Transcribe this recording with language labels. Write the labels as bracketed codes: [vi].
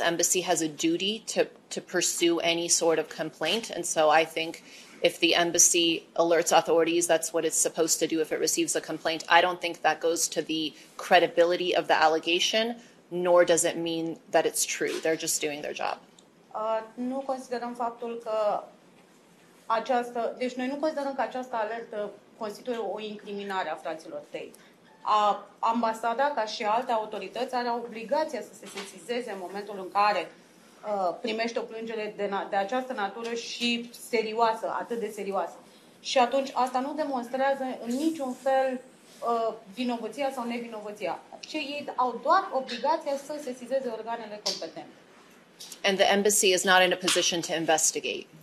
[en] Embassy has a duty to pursue any sort of complaint, and so I think if the embassy alerts authorities, that's what it's supposed to do if it receives a complaint. I don't think that goes to the credibility of the allegation, nor does it mean that it's true. They're just doing their job. [ro] Nu considerăm faptul că această, deci noi nu considerăm că această alertă constituie o incriminare a fraților Tate. Ambasada, ca și alte autorități, are obligația să se sesizeze în momentul în care primește o plângere de această natură și serioasă, atât de serioasă. Și atunci asta nu demonstrează în niciun fel vinovăția sau nevinovăția. Ci ei au doar obligația să sesizeze organele competente. [en] And the embassy is not in a position to investigate.